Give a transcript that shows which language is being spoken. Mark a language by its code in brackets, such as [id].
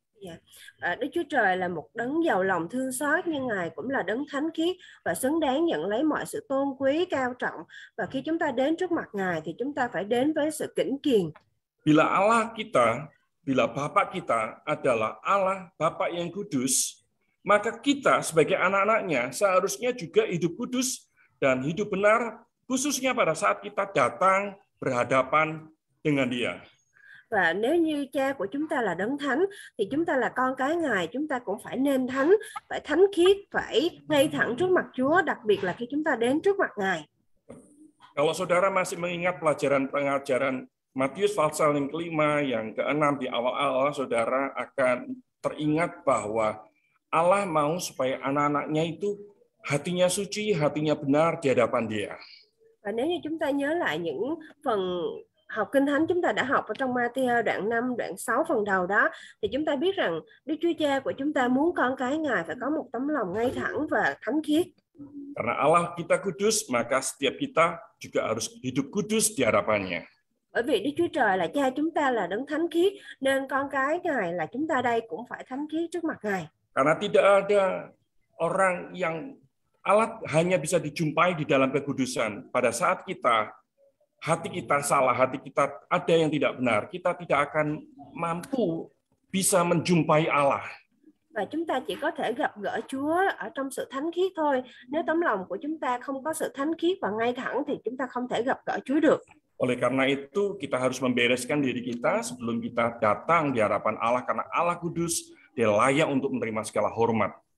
[vi] Yeah. Đức Chúa Trời là một đấng giàu lòng thương xót, nhưng Ngài cũng là đấng thánh khiết và xứng đáng nhận lấy mọi sự tôn quý cao trọng. Và khi chúng ta đến trước mặt Ngài thì chúng ta phải đến với sự kính kiền. [id] Bila Allah kita, bila Bapa kita adalah Allah Bapa yang kudus, maka kita sebagai anak-anak-Nya seharusnya juga hidup kudus dan hidup benar, khususnya pada saat kita datang berhadapan dengan Dia. [vi] Và nếu như Cha của chúng ta là đấng thánh thì chúng ta là con cái Ngài, chúng ta cũng phải nên thánh, phải thánh khiết, phải ngay thẳng trước mặt Chúa, đặc biệt là khi chúng ta đến trước mặt Ngài. [id] Kalau saudara masih mengingat pelajaran-pelajaran Matius pasal yang kelima yang keenam di awal-awal, saudara akan teringat bahwa Allah mau supaya anak-anak-Nya itu hatinya suci, hatinya benar di hadapan Dia. [vi] Và nếu như chúng ta nhớ lại những phần học Kinh Thánh chúng ta đã học ở trong Matthew đoạn 5, đoạn 6 phần đầu đó, thì chúng ta biết rằng Đức Chúa Cha của chúng ta muốn con cái Ngài phải có một tấm lòng ngay thẳng và thánh khiết. [id] Karena Allah kita kudus, maka setiap kita juga harus hidup kudus di hadapan-Nya. [vi] Bởi vì Đức Chúa Trời là Cha chúng ta là đấng thánh khiết, nên con cái Ngài là chúng ta đây cũng phải thánh khiết trước mặt Ngài. [id] Karena tidak ada orang yang Allah hanya bisa dijumpai di dalam kekudusan pada saat kita hati kita salah, hati kita ada yang tidak benar, kita tidak akan mampu bisa menjumpai Allah. [vi] Và chúng ta chỉ có thể gặp gỡ Chúa ở trong sự thánh khiết thôi. Nếu tấm lòng của chúng ta không có sự thánh khiết và ngay thẳng thì chúng ta không thể gặp gỡ Chúa được. [id] Oleh karena itu, kita harus membereskan diri kita sebelum kita datang di hadapan Allah, karena Allah kudus, Dia layak untuk menerima segala hormat.